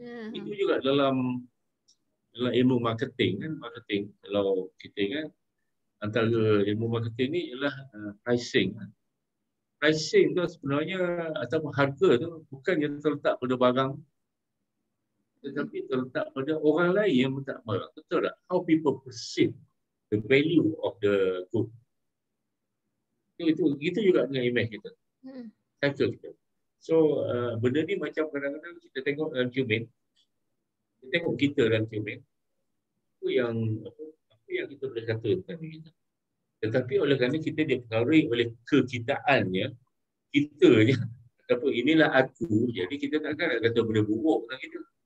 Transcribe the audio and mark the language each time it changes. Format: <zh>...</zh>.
<ms>Itu juga dalam ilmu marketing kan. Marketing kalau kita ingat antara ilmu marketing ni ialah pricing tu sebenarnya ataupun harga tu bukan yang terletak pada barang tetapi terletak pada orang lain yang minta barang. Betul tak?</ms> <en>How people perceive the value of the good.</en> <ms>Itu juga dengan image kita. Cycle kita. So, benda ni macam kadang-kadang kita tengok dalam cermin. Kita tengok kita dalam cermin. Apa yang kita boleh kata tentang diri kita. Tetapi oleh kerana kita dipengaruhi oleh kekitaannya, kitanya, ataupun inilah aku, jadi kita takkan nak kata benda buruk tentang kita.</ms>